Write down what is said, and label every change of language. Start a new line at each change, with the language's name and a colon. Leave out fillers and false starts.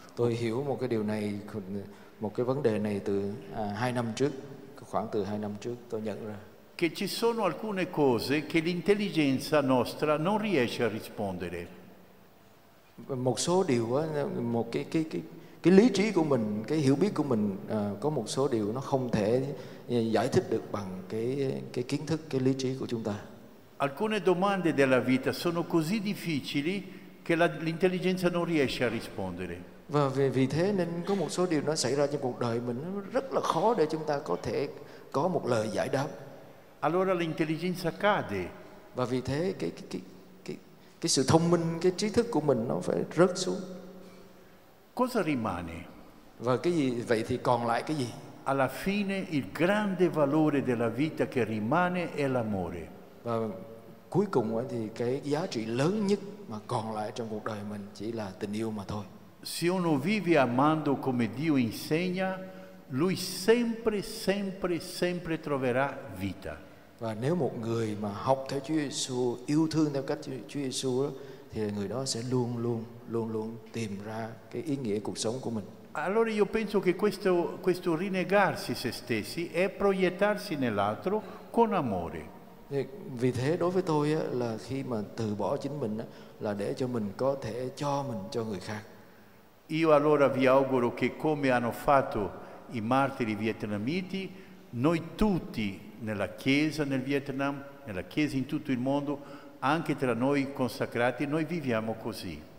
Vietnamese: Tôi hiểu một cái điều này, một cái vấn đề này từ hai năm trước, khoảng từ hai năm trước tôi nhận ra.
Italian: Che ci sono alcune cose che l'intelligenza nostra non riesce a rispondere.
Vietnamese: Một số điều, một cái lý trí của mình, cái hiểu biết của mình có một số điều nó không thể giải thích được bằng cái kiến thức, cái lý trí của chúng ta.
Italian: Alcune domande della vita sono così difficili che l'intelligenza non riesce a rispondere.
Vietnamese: Và vì thế nên có một số điều nó xảy ra trong cuộc đời mình nó rất là khó để chúng ta có thể có một lời giải đáp.
Italian: Allora l'intelligenza cade.
Vietnamese: Và vì thế cái sự thông minh, cái trí thức của mình nó phải rớt xuống.
Italian: Cosa rimane?
Vietnamese: Và cái gì vậy thì còn lại cái gì?
Italian: Alla fine il grande valore della vita che rimane è l'amore.
Vietnamese: Và cuối cùng thì cái giá trị lớn nhất mà còn lại trong cuộc đời mình chỉ là tình yêu mà thôi.
Italian: Se uno vive amando come Dio insegna, lui sempre, sempre, sempre troverà vita.
Vietnamese: Và nếu một người mà học theo Chúa Giêsu, yêu thương theo cách Chúa Giêsu thì người đó sẽ luôn luôn luôn luôn tìm ra cái ý nghĩa cuộc sống của mình.
Italian: Allora io penso che questo rinnegarsi se stessi è proiettarsi nell'altro con amore.
Vietnamese: Vì thế đối với tôi là khi mà từ bỏ chính mình là để cho mình có thể cho mình cho người khác.
Italian: Io allora vi auguro che come hanno fatto i martiri vietnamiti, noi tutti nella chiesa nel Vietnam, nella chiesa in tutto il mondo, anche tra noi consacrati, noi viviamo così.